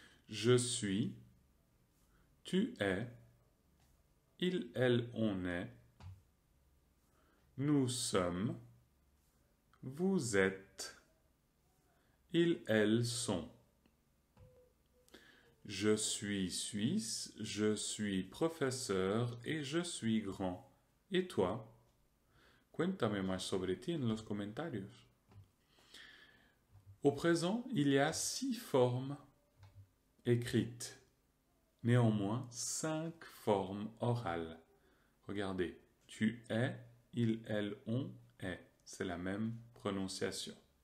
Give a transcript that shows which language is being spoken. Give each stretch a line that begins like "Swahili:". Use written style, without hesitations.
French: Je suis, tu es, il, elle, on est, nous sommes, vous êtes. Ils, elles sont. Je suis suisse, je suis professeur et je suis grand. Et toi?
Spanish: Cuéntame más sobre ti en los comentarios.
French: Au présent, il y a six formes écrites. Néanmoins, cinq formes orales. Regardez, tu es, il, elle, on est. C'est la même prononciation.